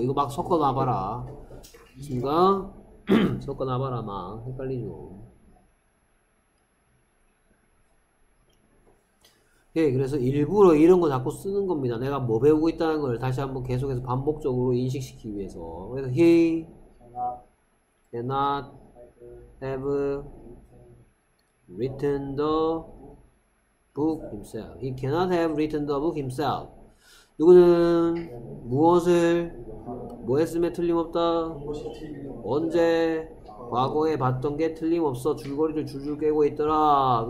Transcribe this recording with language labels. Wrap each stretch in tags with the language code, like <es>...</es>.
<ko>이거 막 섞어놔봐라. 지금가? 섞어놔봐라. 막 헷갈리죠. 예, 그래서 일부러 이런 거 자꾸 쓰는 겁니다. 내가 뭐 배우고 있다는 걸 다시 한번 계속해서 반복적으로 인식시키기 위해서.</ko> <en>그래서 he cannot have written the book himself. He cannot have written the book himself.</en> <ko>누구는 무엇을 뭐 했음에 틀림없다. 언제 과거에 봤던 게 틀림없어 줄거리를 줄줄 꿰고 있더라.</ko>